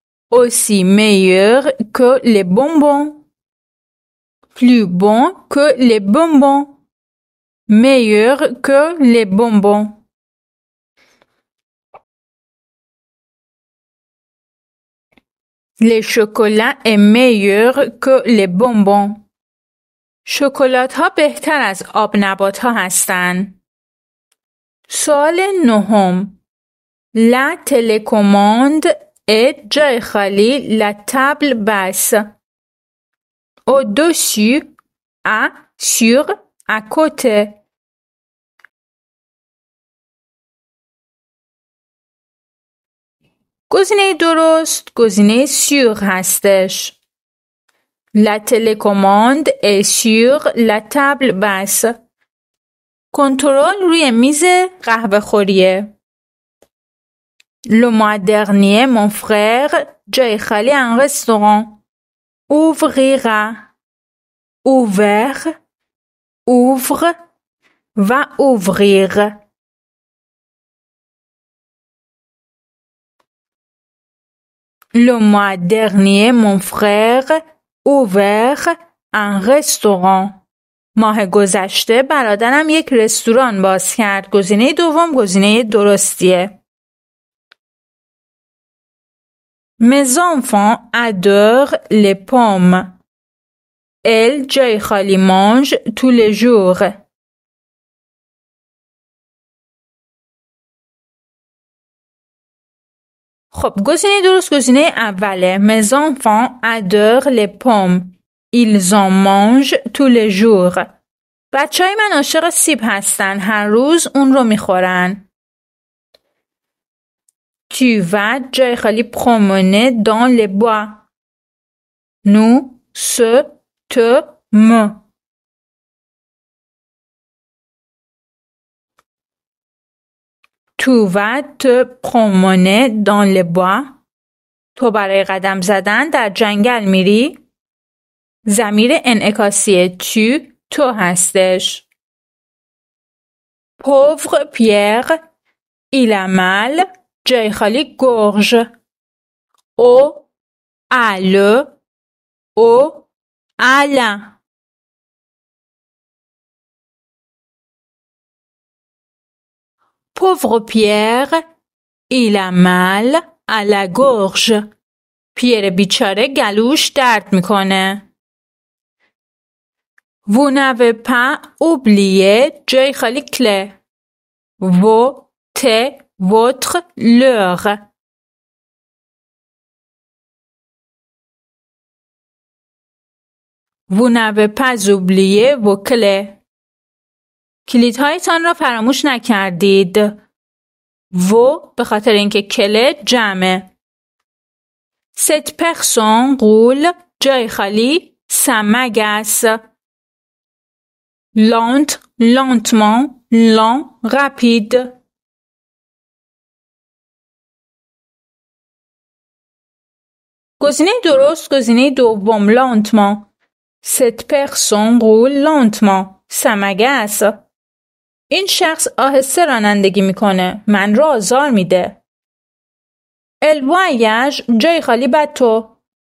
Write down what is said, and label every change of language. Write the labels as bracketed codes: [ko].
[fr] Aussi meilleur que les bonbons. Plus bon que les bonbons. Meilleur que les bonbons. Le chocolat est meilleur que les bonbons. [fa] شکلات ها بهتر از آب نبات ها هستن. سوال نهم. [fr] La télécommande est [fa] جای خالی [fr] la table basse. Au-dessus, à, sur, à côté. [fa] گزینه درست گزینه سور هستش. [fr] La télécommande est sur la table basse. [fa] کنترل روی میز قهوه خوریه. [fr] Le mois dernier, mon frère, j'ai allé à un restaurant. Ouvrira. Ouvert. Ouvre. Va ouvrir. Le mois dernier, mon frère, ouvert un restaurant. [fa] ماه گذشته برادرم یک رستوران باز کرد. گزینه دوم گزینه درستیه. [fr] Mes enfants adorent les pommes. Elles, [fa] جای خالی, [fr] mangent tous les jours. [fa] خب گزینه درست گزینه اوله. [fr] Mes enfants adorent les pommes. Ils en mangent tous les jours. [fa] بچه های من عاشق سیب هستن. هر روز اون رو میخورن. [fr] Tu vas, [fa] جای خالی, [fr] promener dans les bois. Nous, ce, te, me. Tu vas te promener dans les bois. [fa] تو برای قدم زدن در جنگل میری. ضمیر انعکاسی tu تو هستش. [fr] Pauvre Pierre, il a mal. [fa] جای خالی [fr] گرژ. او ال او ال. Pauvre Pierre, il a mal à la gorge. [fa] پیر بیچاره گلوش درد میکنه. [fr] Vous n'avez pas oublié, [fa] جای خالی [fr] کل. Vous, te, votre, leur. Vous n'avez pas oublié vos clés. [fa] کلیدهایتان را فراموش نکردید. و به خاطر اینکه کلید جمعه. [fr] Cette personne roule, [fa] جای خالی, [fr] sa magasse. Lent, lentement, lent, rapide. [fa] گزینه درست گزینه دوم lentement. [fr] Cette personne roule lentement, sa magasse. [fa] این شخص آهسته رانندگی میکنه. من رو آزار میده. [fr] El voyage, [fa] جای خالی بعد تو.